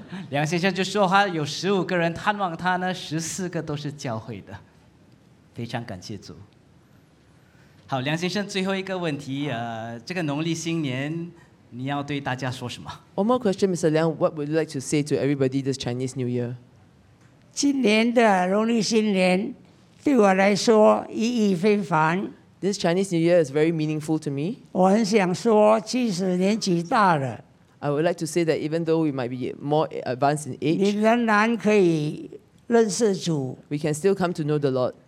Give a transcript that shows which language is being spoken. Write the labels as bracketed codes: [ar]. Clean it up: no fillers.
[zh] 梁先生就说他有15个人探望他呢，14个都是教会的。非常感谢主。好，梁先生，最后一个问题，这个农历新年，你要对大家说什么？ [en] One more question, Mr. Liang. What would you like to say to everybody this Chinese New Year? [zh] 今年的农历新年对我来说意义非凡。 [en] This Chinese New Year is very meaningful to me. [zh] 我很想说，即使年纪大了， [en] I would like to say that even though we might be more advanced in age, [zh] 你仍然可以认识主。 [en] We can still come to know the Lord.